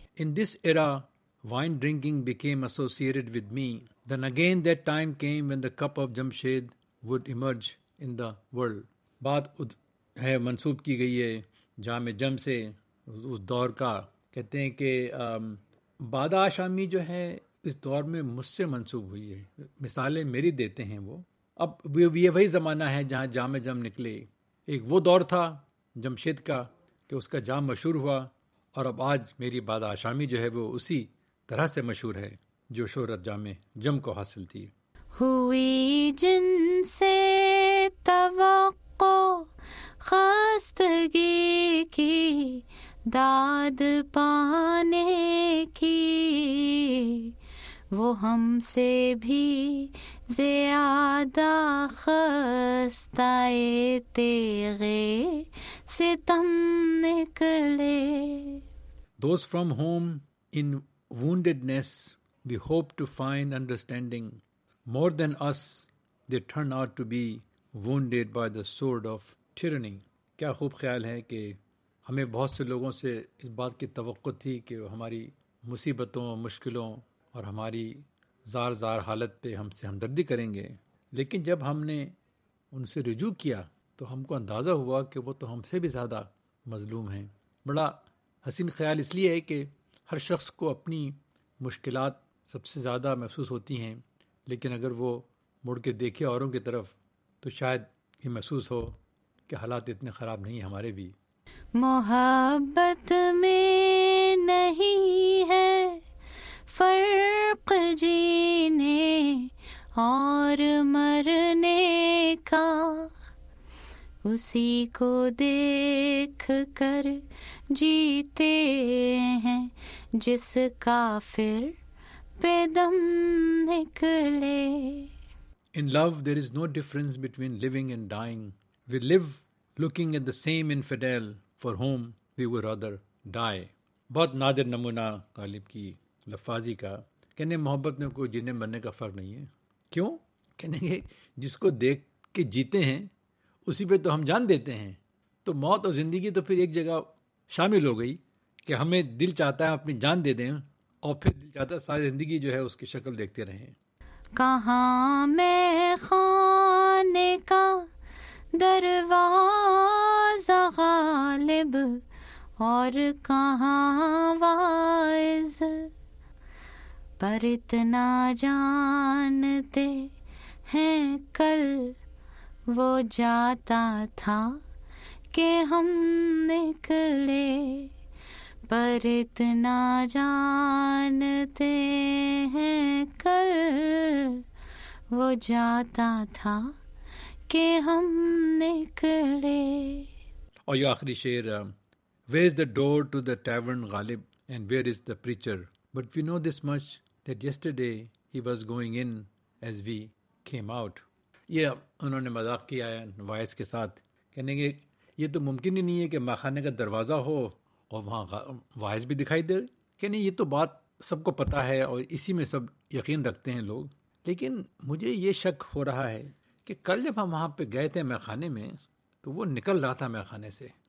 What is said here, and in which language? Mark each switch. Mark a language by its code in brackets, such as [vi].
[en] In this era, wine drinking became associated with me. Then again that time came when the cup of Jamshed would emerge in the world. [ur] بات ہے منسوب کی گئی ہے جام جم سے اس دور کا. کہتے ہیں کہ بادہ آشامی جو ہے اس دور میں مجھ سے منسوب ہوئی ہے. مثالیں میری دیتے ہیں وہ. اب یہ وہی زمانہ ہے جہاں جام جم نکلے. ایک وہ دور تھا جمشید کا کہ اس کا جام مشہور ہوا, اور اب آج میری بادہ آشامی جو ہے وہ اسی طرح سے مشہور ہے جو شہرت جام جم کو حاصل تھی. ہوئی جن سے توقع خاستگی کی داد پانے کی, وہ ہم سے بھی زیادہ خستہ تیغے ستم نکلے. [en] Those from whom in woundedness we hope to find understanding, more than us they turn out to be wounded by the sword of tyranny. [ur] کیا خوب خیال ہے کہ ہمیں بہت سے لوگوں سے اس بات کی توقع تھی کہ ہماری مصیبتوں مشکلوں اور ہماری زار زار حالت پہ ہم سے ہمدردی کریں گے, لیکن جب ہم نے ان سے رجوع کیا تو ہم کو اندازہ ہوا کہ وہ تو ہم سے بھی زیادہ مظلوم ہیں. بڑا حسین خیال اس لیے ہے کہ ہر شخص کو اپنی مشکلات سب سے زیادہ محسوس ہوتی ہیں, لیکن اگر وہ مڑ کے دیکھے اوروں کی طرف تو شاید یہ محسوس ہو کہ حالات اتنے خراب نہیں ہیں ہمارے بھی. محبت میں نہیں ہے فرق جینے اور مرنے کا, اسی کو دیکھ کر جیتے ہیں جس کافر پہ دم نکلے. [en] In love there is no difference between living and dying. We live looking at the same infidel for whom we would rather die. [ur] بہت نادر نمونہ غالب کی لفاظی کا. کہنے محبت میں کوئی جینے مرنے کا فرق نہیں ہے. کیوں؟ کہنے کہ جس کو دیکھ کے جیتے ہیں اسی پہ تو ہم جان دیتے ہیں, تو موت اور زندگی تو پھر ایک جگہ شامل ہو گئی کہ ہمیں دل چاہتا ہے اپنی جان دے دیں, اور پھر دل چاہتا ہے ساری زندگی جو ہے اس کی شکل دیکھتے رہیں. کہاں میں خانے کا دروازہ غالب اور کہاں وائز, پر اتنا جانتے ہیں کل وہ جاتا تھا کہ ہم نکلے, پر اتنا جانتے ہیں کل وہ جاتا تھا کہ ہم نکلے. اور یہ آخری شعر, [en] where is the door to the tavern Ghalib and where is the preacher, but we know this much that yesterday he was going in as we came out. [ur] یہ انہوں نے مذاق کیا ہے وائس کے ساتھ, کہنے کہ یہ تو ممکن ہی نہیں ہے کہ ماخانے کا دروازہ ہو اور وہاں وائس بھی دکھائی دے. کہنے یہ تو بات سب کو پتہ ہے اور اسی میں سب یقین رکھتے ہیں لوگ, لیکن مجھے یہ شک ہو رہا ہے کہ کل جب ہم وہاں پہ گئے تھے میخانے میں تو وہ نکل رہا تھا میخانے سے.